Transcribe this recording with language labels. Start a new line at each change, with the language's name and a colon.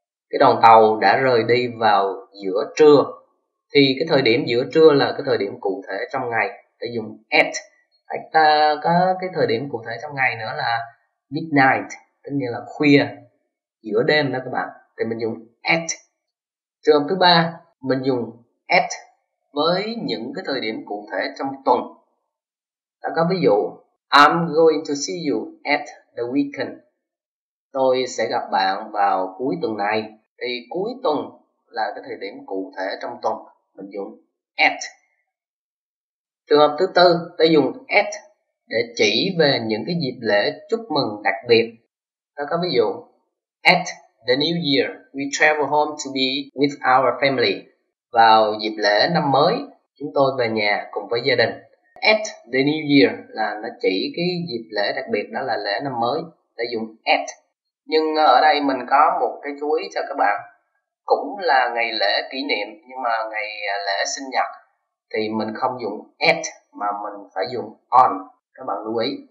Vietnamese: Cái đoàn tàu đã rời đi vào giữa trưa. Thì cái thời điểm giữa trưa là cái thời điểm cụ thể trong ngày. Ta dùng at. Ta có cái thời điểm cụ thể trong ngày nữa là midnight, tức nghĩa là khuya, giữa đêm đó các bạn. Thì mình dùng at. Trường hợp thứ ba, mình dùng at với những cái thời điểm cụ thể trong tuần. Ta có ví dụ,
English: I'm going to see you at the weekend.
Vietnamese: Tôi sẽ gặp bạn vào cuối tuần này. Thì cuối tuần là cái thời điểm cụ thể trong tuần. Mình dùng at. Trường hợp thứ tư, ta dùng at để chỉ về những cái dịp lễ chúc mừng đặc biệt. Ta có ví dụ,
English: at the New Year, we travel home to be with our family.
Vietnamese: Vào dịp lễ năm mới, chúng tôi về nhà cùng với gia đình.
English: At the New Year
Vietnamese: là nó chỉ cái dịp lễ đặc biệt, đó là lễ năm mới. Ta dùng at. Nhưng ở đây mình có một cái chú ý cho các bạn. Cũng là ngày lễ kỷ niệm, nhưng mà ngày lễ sinh nhật thì mình không dùng at mà mình phải dùng on. Các bạn lưu ý.